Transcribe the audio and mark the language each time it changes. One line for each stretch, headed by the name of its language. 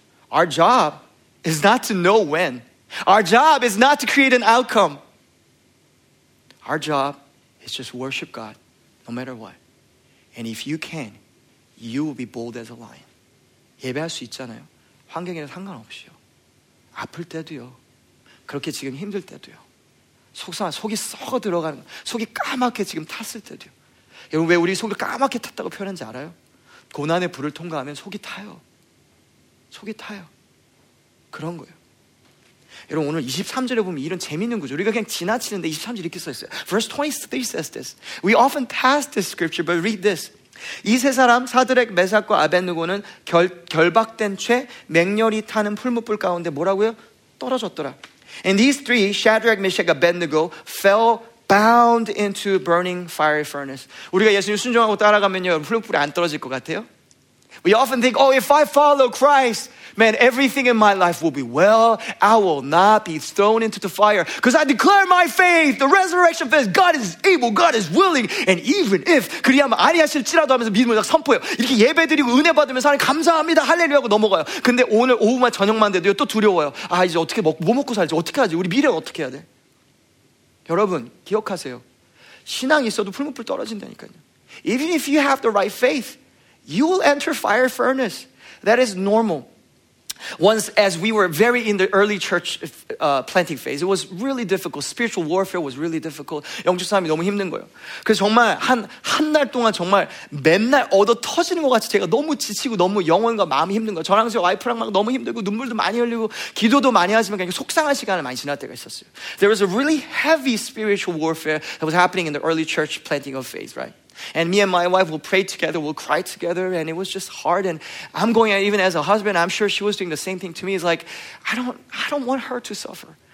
English: Our job is not to know when. Our job is not to create an outcome. Our job is just worship God no matter what. And if you can, you will be bold as a lion.
Korean: 예배할 수 있잖아요. 환경에 상관없이요. 아플 때도요. 그렇게 지금 힘들 때도요. 속상한 속이 썩어 들어가는 속이 까맣게 지금 탔을 때도요. 여러분 왜 우리 속이 까맣게 탔다고 표현한지 알아요? 고난의 불을 통과하면 속이 타요. 속이 타요. 그런 거예요. 여러분 오늘 23절에 보면 이런 재밌는 구절 우리가 그냥 지나치는데 23절 이렇게 써 있어요.
English: Verse 23 says this. We often pass this scripture but read this.
Korean: 이 세 사람 사드렉 메삭과 아벤느고는 결박된 채 맹렬히 타는 풀무불 가운데 뭐라고요? 떨어졌더라.
English: And these three, Shadrach, Meshach, Abednego, fell bound into burning fiery furnace.
Korean: 우리가 예수님 순종하고 따라가면요, 풀무불이 안 떨어질 것 같아요?
English: We often think, oh, if I follow Christ, man, everything in my life will be well. I will not be thrown into the fire. Because I declare my faith, the resurrection faith. God is able, God is willing. And even if,
Korean: 그리하면 아니하실지라도 하면서 믿음을 딱 선포해요. 이렇게 예배드리고 은혜 받으면서 하나님 감사합니다. 할렐루야 하고 넘어가요. 근데 오늘 오후만 저녁만 돼도 또 두려워요. 아, 이제 어떻게 먹고, 뭐 먹고 살지? 어떻게 하지? 우리 미래는 어떻게 해야 돼? 여러분, 기억하세요. 신앙이 있어도 풀무불 떨어진다니까요.
English: Even if you have the right faith, you will enter fire furnace. That is normal. Once, as we were very in the early church planting phase, it was really difficult. Spiritual warfare was really difficult.
Korean: 영적 싸움이 너무 힘든 거예요. 그래서 정말 한 달 동안 정말 맨날 얻어 터지는 것 같이 제가 너무 지치고 너무 영혼과 마음이 힘든 거예요. 저랑 제 와이프랑 막 너무 힘들고 눈물도 많이 흘리고 기도도 많이 하지만 그냥 속상한 시간을 많이 지날 때가 있었어요.
English: There was a really heavy spiritual warfare that was happening in the early church planting of phase, right? And me and my wife will pray together, we'll cry together, and it was just hard. And I'm going, even as a husband, I'm sure she was doing the same thing to me. It's like, I don't want her to suffer.